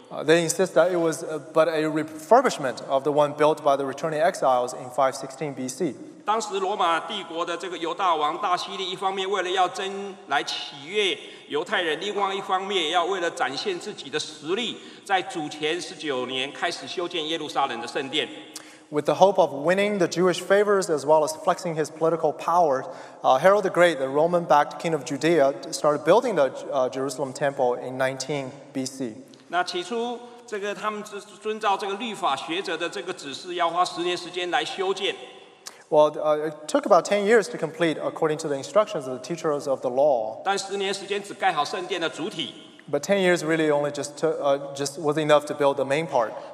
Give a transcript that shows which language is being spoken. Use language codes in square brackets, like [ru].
[en] They insist that it was but a refurbishment of the one built by the returning exiles in 516 BC. [zh] 当时罗马帝国的这个犹大王大希律一方面为了要争来取悦犹太人，另外一方面也要为了展现自己的实力，在主前19年开始修建耶路撒冷的圣殿。 [en] With the hope of winning the Jewish favors as well as flexing his political power, Herod the Great, the Roman-backed king of Judea, started building the Jerusalem temple in 19 BC. [zh] 那起初，这个他们遵照这个律法学者的这个指示，要花10年时间来修建。 [en] Well, it took about 10 years to complete according to the instructions of the teachers of the law. But 10 years really only just was enough to build the main part.